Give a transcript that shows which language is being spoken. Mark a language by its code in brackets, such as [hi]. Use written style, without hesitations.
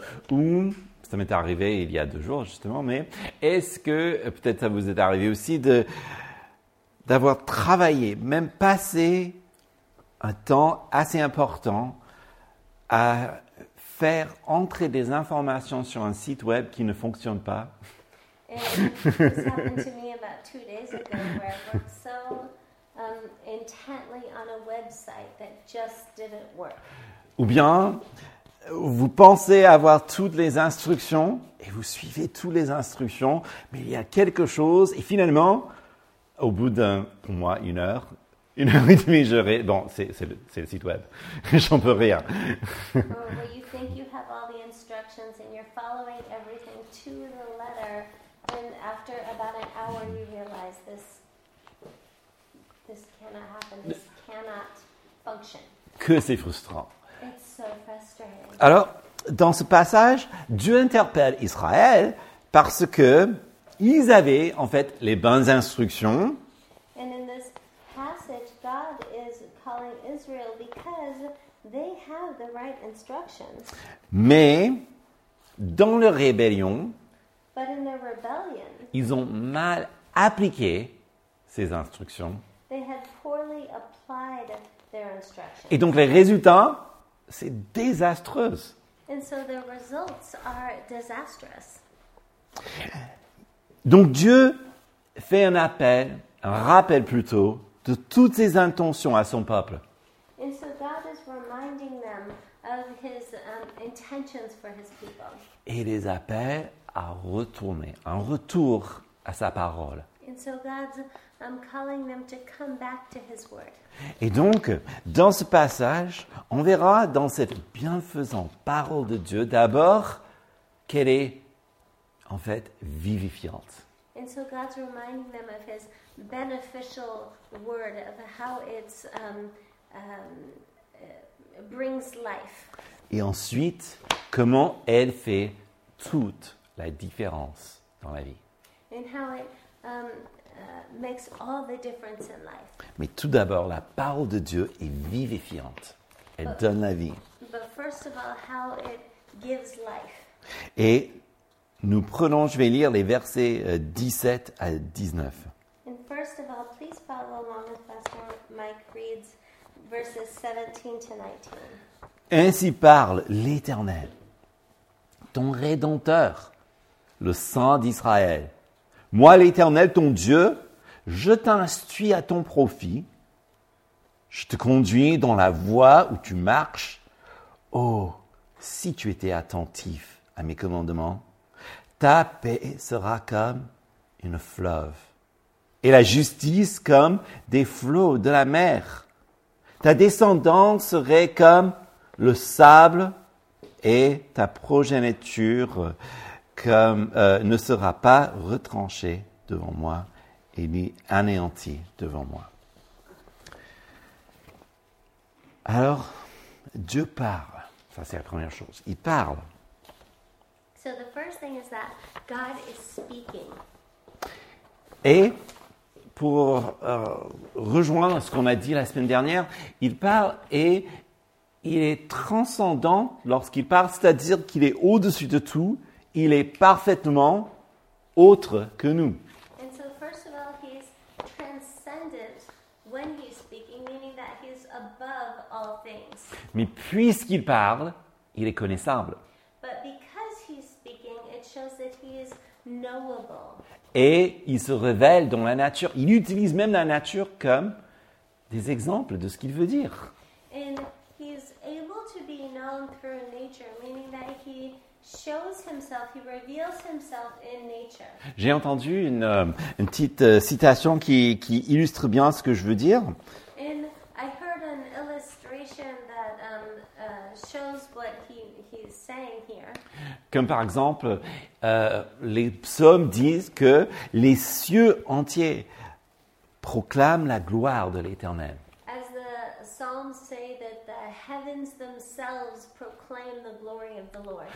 [fr] Ou, ça m'est arrivé il y a deux jours justement, mais est-ce que peut-être ça vous est arrivé aussi d'avoir travaillé, même passé un temps assez important à faire entrer des informations sur un site web qui ne fonctionne pas? [en] And this happened to me about 2 days ago, where I worked so intently on a website that just didn't work. [fr] Ou bien, vous pensez avoir toutes les instructions et vous suivez toutes les instructions, mais il y a quelque chose et finalement, au bout d'un, pour moi, une heure et demie, c'est le site web, j'en peux rien. [en] You think you have all the instructions and you're following everything to the letter. And after about an hour, you realize this cannot happen, this cannot function. [fr] Que c'est frustrant. [en] It's so frustrating. [fr] Alors, dans ce passage, Dieu interpelle Israël parce que ils avaient en fait les bonnes instructions. [en] And in this passage, God is calling Israel because they have the right instructions. [fr] Mais dans leur rébellion, [en] but in their rebellion, [fr] ils ont mal appliqué ces instructions. [en] They had poorly applied their instructions. [fr] Et donc les résultats, c'est désastreux. [en] And so the results are disastrous. [fr] Donc Dieu fait un appel, un rappel plutôt, de toutes ses intentions à son peuple. [en] And so God is reminding them of his intentions for his people. [fr] Et les appelle à retourner, un retour à sa parole. [en] And so God's, calling them to come back to his word. [fr] Et donc, dans ce passage, on verra dans cette bienfaisante parole de Dieu, d'abord, qu'elle est, en fait, vivifiante. [en] And so God's reminding them of his beneficial word, of how it's, brings life. [fr] Et ensuite, comment elle fait toute la différence dans la vie. [en] And how it, makes all the difference in life. [fr] Mais tout d'abord, la parole de Dieu est vivifiante. Elle donne la vie. [en] But first of all, how it gives life. [fr] Et nous prenons, je vais lire les versets 17 à 19. [en] And first of all, please follow along with Pastor Mike reads verses 17 to 19. [fr] Ainsi parle l'Éternel, ton Rédempteur, le Saint d'Israël. Moi, l'Éternel, ton Dieu, je t'instruis à ton profit. Je te conduis dans la voie où tu marches. Oh, si tu étais attentif à mes commandements, ta paix sera comme une fleuve et la justice comme des flots de la mer. Ta descendance serait comme le sable et ta progéniture comme ne sera pas retranché devant moi et ni anéanti devant moi. Alors, Dieu parle. Ça, c'est la première chose. Il parle. [en] So the first thing is that God is speaking. [fr] Et pour rejoindre ce qu'on a dit la semaine dernière, il parle et il est transcendant lorsqu'il parle, c'est-à-dire qu'il est au-dessus de tout. Il est parfaitement autre que nous. [en] And so first of all, he is transcendent when he's speaking, meaning that he is above all things. [fr] Mais puisqu'il parle, il est connaissable. [en] But because he's speaking, it shows that he is knowable. [fr] Et il se révèle dans la nature. Il utilise même la nature comme des exemples de ce qu'il veut dire. [en] And he is able to be known through nature, meaning that he shows himself, he reveals himself in nature. [fr] J'ai entendu une petite citation qui illustre bien ce que je veux dire. [en] And I heard an illustration that shows what he's saying here. [fr] Comme par exemple, les psaumes disent que les cieux entiers proclament la gloire de l'Éternel. [en] As the psalms say that the heavens themselves proclaim the glory of the Lord.